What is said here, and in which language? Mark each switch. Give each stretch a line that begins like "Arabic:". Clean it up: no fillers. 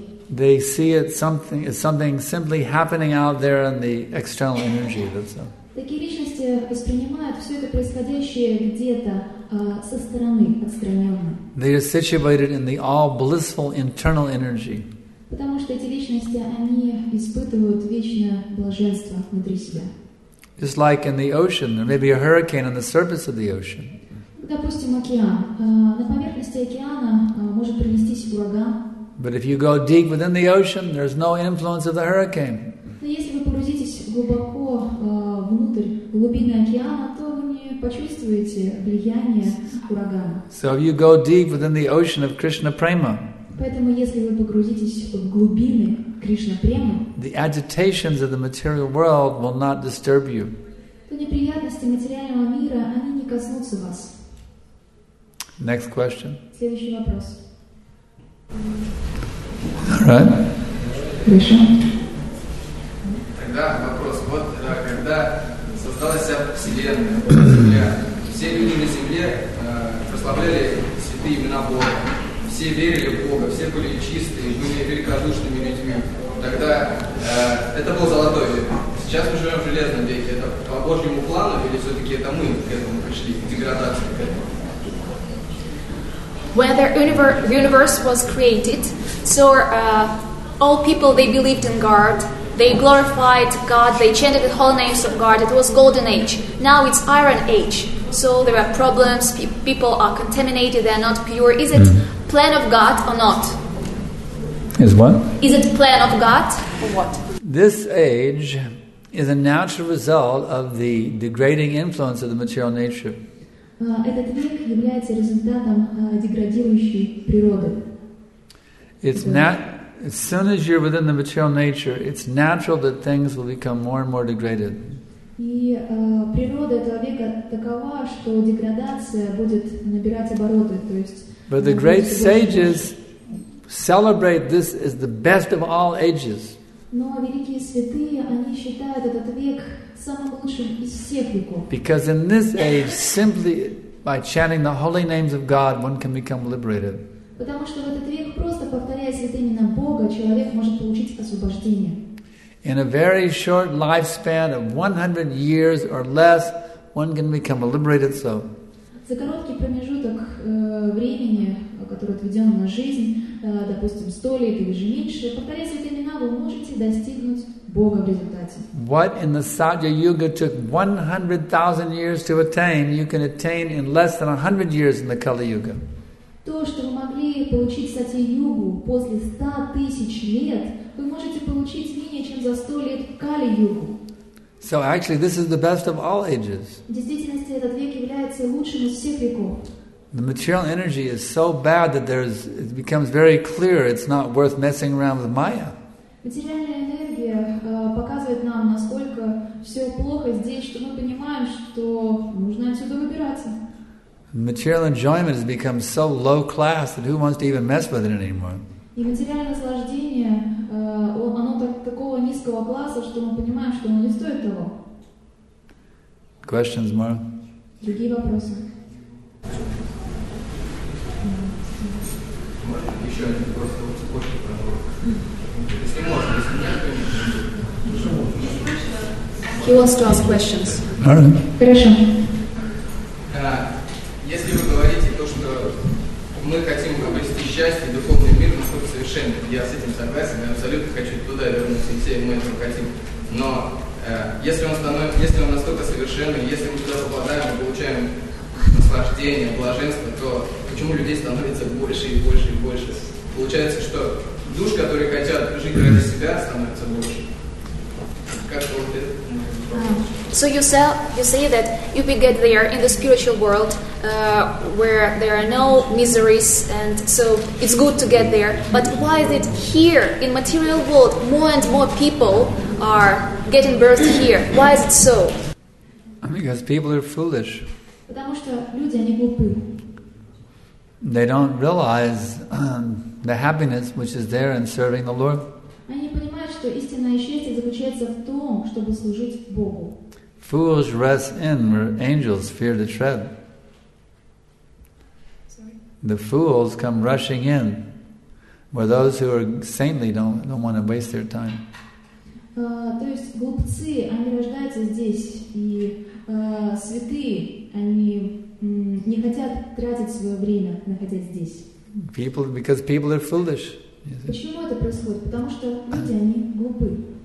English: They see it as something simply happening out there in the external energy. That's all.
Russian: Такие личности воспринимают все это происходящее где-то со стороны, отстраненно.
English: They are situated in the all blissful internal energy.
Russian: Потому что эти личности, они испытывают вечное блаженство внутри себя.
English: Just like in the ocean, there may be a hurricane on the surface of the ocean.
Russian: Допустим, океан. На поверхности океана может принестись ураган.
English: But if you go deep within the ocean, there's no influence of the hurricane.
Russian: Но если вы погрузитесь глубоко внутрь глубины океана, то вы не почувствуете влияние урагана.
English: So if you go deep within the ocean of Krishna Prema.
Russian: Поэтому если вы погрузитесь в глубины Кришна Према,
English: the agitations of the material world will not disturb you.
Russian: То неприятности материального мира, они не коснутся вас.
English: Next question.
Russian: Следующий вопрос.
English: All right.
Russian: Хорошо. Да, вопрос. Вот когда создалась вся Вселенная, вот Земля, все люди на Земле прославляли святые имена Бога. все верили в Бога, все были чистые, были великодушными людьми. Тогда это был золотой век. Сейчас мы живем в железном веке. Это по Божьему плану или все-таки это мы к этому пришли, к деградации к этому?
English: When the universe was created, so all people, they believed in God, they glorified God, they chanted the holy names of God. It was golden age. Now it's iron age. So there are problems, people are contaminated, they're not pure. Is it plan of God or not? Is what? Is it plan of God or what? This age is a natural result of the degrading influence of the material nature.
Russian: Этот век является результатом деградирующей природы.
English: As soon as you're within the material nature, it's natural that things will become more and more degraded.
Russian: И природа этого века такова, что деградация будет набирать обороты, то есть.
English: But the great sages celebrate this as the best of all ages.
Russian: Но великие святые, они считают этот век самым лучшим из всех веков.
English: Because in this age, simply by chanting the holy names of God, one can become liberated.
Russian: Потому что в этот век, просто повторяя святые имена Бога, человек может получить освобождение.
English: In a very short lifespan of 100 years or less, one can become a liberated soul.
Russian: За короткий промежуток времени, который отведен на жизнь, допустим, 100 лет или же меньше, повторяя святые имена, вы можете достигнуть Бога в результате.
English: What in the Satya Yuga took 100,000 years to attain, you can attain in less than 100 years in the Kali Yuga.
Russian: То, что вы могли получить Сати-Югу после 100,000 лет, вы можете получить менее чем за 100 лет Кали-Югу.
English: So actually, this is the best of all ages.
Russian: В действительности, этот век является лучшим из всех веков.
English: The material energy is so bad that it becomes very clear it's not worth messing around with Maya.
Russian: Материальная энергия показывает нам, насколько все плохо здесь, что мы понимаем, что нужно отсюда выбираться.
English: Material enjoyment has become so low class that who wants to even mess with it anymore?
Russian: И материальное наслаждение, оно такого низкого класса, что мы понимаем, что оно не стоит того.
English: Questions, Mara?
Russian: Другие вопросы? Еще один вопрос, вот цепочка, пожалуйста.
English: He wants to ask questions. Mara?
Russian: Хорошо. Если вы говорите то, что мы хотим обрести счастье, духовный мир, насколько совершенно, я с этим согласен, я абсолютно хочу туда вернуться, и все мы этого хотим. Но если он настолько совершенный, если мы туда попадаем и получаем наслаждение, блаженство, то почему людей становится больше и больше и больше? Получается, что душ, которые хотят жить ради себя, становится больше. Как-то вот это.
English: So you say that if we get there in the spiritual world where there are no miseries, and so it's good to get there, but why is it here in material world more and more people are getting birthed here? Why is it so? Because people are foolish.
Russian: Потому что люди, они глупы.
English: They don't realize the happiness which is there in serving the Lord.
Russian: Они не понимают, что истинное счастье заключается в том, чтобы служить Богу.
English: Fools rest in where angels fear to tread. The fools come rushing in where those who are saintly don't want to waste their time.
Russian: То есть глупцы, они рождаются здесь, и святые, они не хотят тратить свое время, находясь здесь.
English: Because people are foolish.
Russian: Почему это происходит? Потому что люди, они глупы.